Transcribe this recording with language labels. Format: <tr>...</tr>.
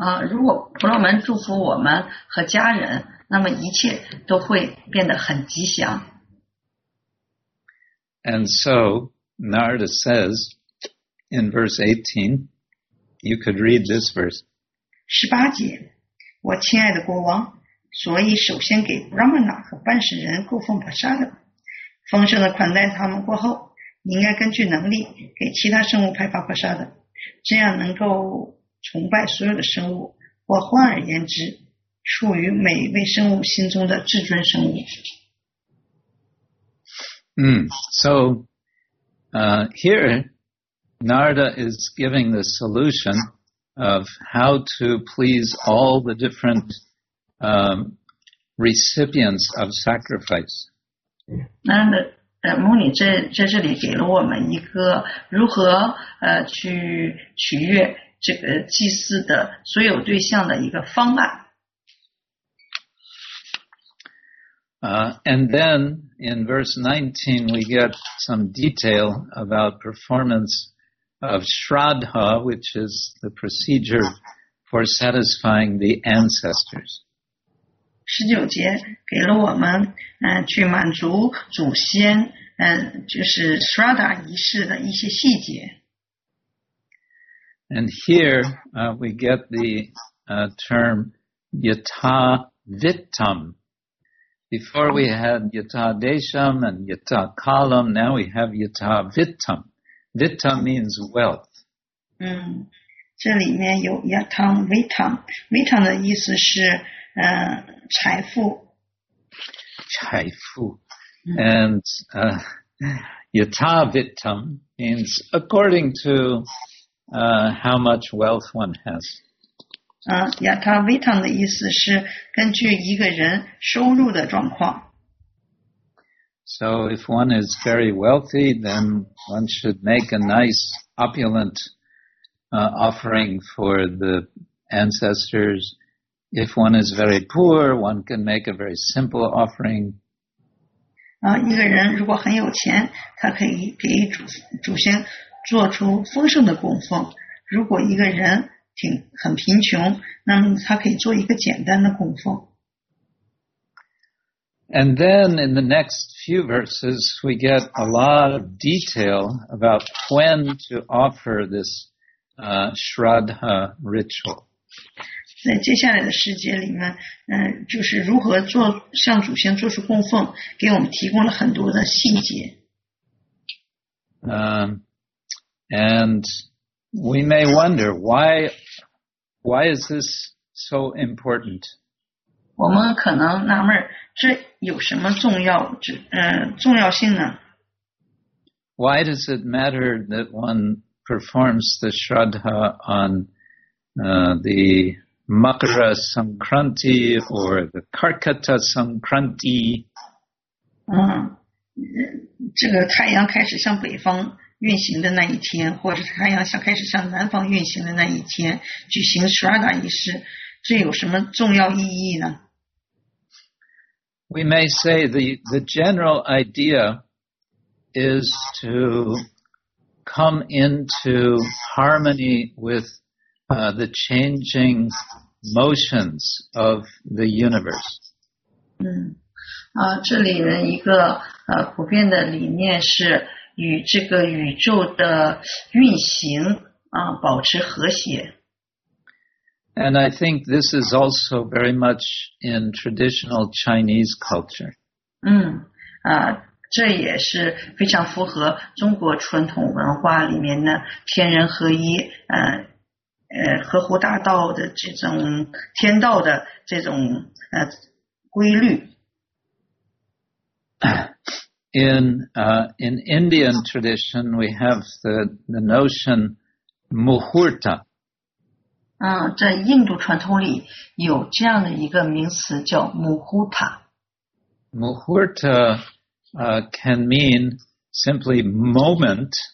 <zh>如果婆罗门祝福我们和家人，那么一切都会变得很吉祥。</zh> <en>And so, Narada says in verse 18, you could read this verse.</en> <zh>18节，我亲爱的国王，所以首先给 Brahmana 和半神人供奉 Prasadam， 丰盛的款待他们过后，你应该根据能力给其他生物派发 Prasadam， 这样能够崇拜所有的生物，或换而言之，属于每一位生物心中的至尊生物。</zh> <en>Here Narada is giving the solution of how to please all the different recipients of sacrifice.</en> <zh>那牧尼在这里给了我们一个如何去取悦这个祭祀的所有对象的一个方案。</zh> <en>And then in verse 19, we get some detail about performance of Shraddha, which is the procedure for satisfying the ancestors.</en> <zh>19节给了我们去满足祖先就是 Shraddha 仪式的一些细节。</zh> <en>And here we get the term yata vittam. Before we had yata desham and yata kalam, now we have yata vittam. Vittam means wealth.</en> <zh>这里面有 yata vittam. Vittam 的意思是财富。财富。</zh> <en>And yata vittam means according to how much wealth one has.</en> <zh>Yata Vittam 的意思是根据一个人收入的状况。</zh> <en>So if one is very wealthy, then one should make a nice, opulent offering for the ancestors. If one is very poor, one can make a very simple offering.</en> <zh>一个人如果很有钱，他可以给祖先做出丰盛的供奉。如果一个人很贫穷，那么他可以做一个简单的供奉。</zh> <en>And then in the next few verses, we get a lot of detail about when to offer this Shraddha ritual.</en> <zh>在接下来的时节里面，就是如何做向祖先做出供奉，给我们提供了很多的细节。</zh> <en>And we may wonder why is this so important?</en> <zh>我们可能纳闷这有什么重要性呢？</zh> <en>Why does it matter that one performs the Shraddha on the Makara Sankranti or the Karkata Sankranti?</en> <zh>这个太阳开始向北方运行的那一天，或者太阳开始向南方运行的那一天，举行 Shraddha 仪式，这有什么重要意义呢？</zh> <en>We may say the general idea is to come into harmony with the changing motions of the universe.</en> <zh>这里呢一个普遍的理念是与这个宇宙的运行保持和谐。</zh> <en>And I think this is also very much in traditional Chinese culture.</en> <zh>这也是非常符合中国传统文化里面的天人合一，合乎大道的这种天道的这种规律。</zh> <en>In Indian tradition, we have the notion muhurta.</en> <zh>在印度传统里有这样的一个名词叫 muhurta。</zh> <en>Muhurta can mean simply moment.</en>